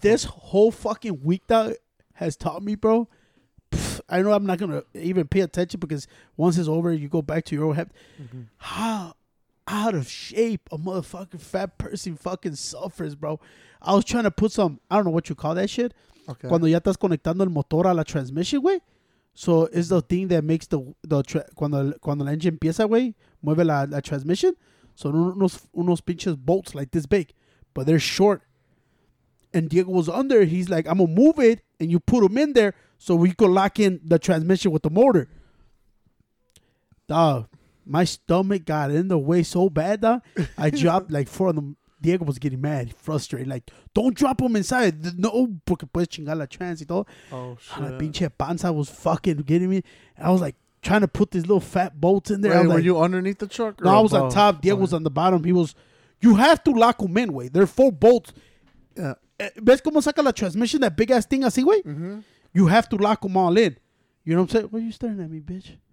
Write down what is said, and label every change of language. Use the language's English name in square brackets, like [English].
[English] This whole fucking week that has taught me, bro, I know I'm not going to even pay attention because once it's over, you go back to your old habit. Mm-hmm. How out of shape a motherfucking fat person fucking suffers, bro. I was trying to put some, I don't know what you call that shit. Okay. [Spanish] Cuando ya estás conectando el motor a la transmission, güey. [English] So it's the thing that makes the [Spanish] cuando la engine empieza, güey, mueve la [English] transmission. So [Spanish] unos pinches [English] bolts like this big, but they're short. And Diego was under. He's like, I'm going to move it and you put them in there so we could lock in the transmission with the motor. Dog, my stomach got in the way so bad, dog. I dropped like four of them. Diego was getting mad, frustrated. Like, don't drop them inside. [Spanish] No, porque puedes chingar la trans y todo. [English] Oh, shit. [Spanish] La pinche panza [English] was fucking getting me. I was like trying to put these little fat bolts in there. Wait, were like, you underneath the truck? No, I was on top. Diego was on the bottom. He was, you have to lock them in, way. They're four bolts. Yeah. [Spanish] ¿Ves cómo saca la transmission, [English] that big ass thing [Spanish] así, güey? Mm-hmm. [English] You have to lock them all in. You know what I'm saying? What are you staring at me, bitch?